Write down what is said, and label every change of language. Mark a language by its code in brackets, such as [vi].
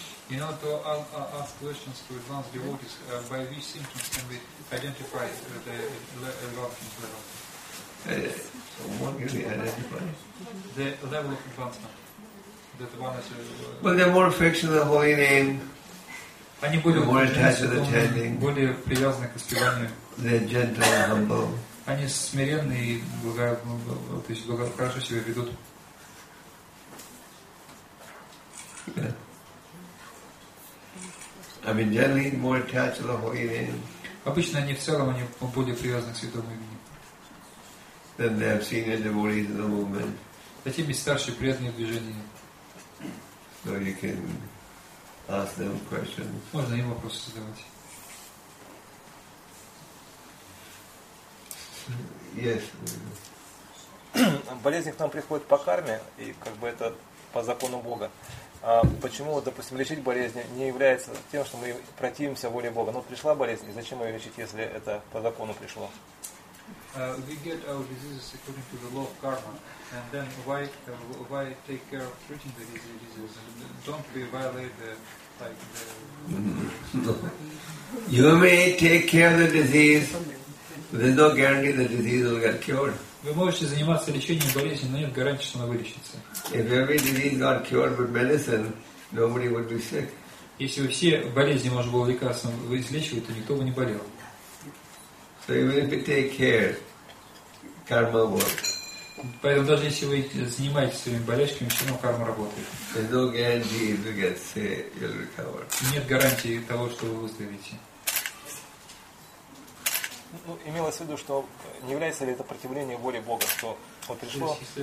[en] You know, to ask questions to advanced devotees, by which symptoms can we identify the advancement level? What can we identify? The level of advancement. That one is. Well, the more affection of the Holy Name, the more attached to the chanting, [ru] более привязаны к исполнению. [en] The gentle and humble. [ru] Они смиренные и хорошо себя ведут. [en] I mean, generally more attached to the Holy Name. [ru] Обычно они в целом они более привязаны к Святому Имени. [en] Then they have seen the devotees in the movement. [ru] Затем и старшие преданные в движении. [en] So you can ask them questions. [ru] Можно им вопросы задавать. [en] Yes. [ru] Болезнь к нам приходит по карме, и как бы это по закону Бога. А почему, допустим, лечить болезнь не является тем, что мы противимся воле Бога? Но пришла болезнь, и зачем ее лечить, если это по закону пришло? [en] We get our diseases according to the law of karma, and then why take care of treating the diseases? Don't we violate the No. You may take care of the disease, but there's no guarantee the disease will get cured. [ru] Вы можете заниматься лечением болезни, но нет гарантии, что она вылечится. [en] If every disease got cured with medicine, nobody would be sick. [ru] Если бы все болезни можно было лекарством излечивать, то никто бы не болел. [en] So even if you take care, karma works. [ru] Поэтому даже если вы занимаетесь своими болячками, все равно карма работает. [en] There's no guarantee if you get sick, you'll recover. [ru] Нет гарантии того, что вы выздоровеете. Ну, имелось в виду, что не является ли это противление воле Бога, что вот пришло...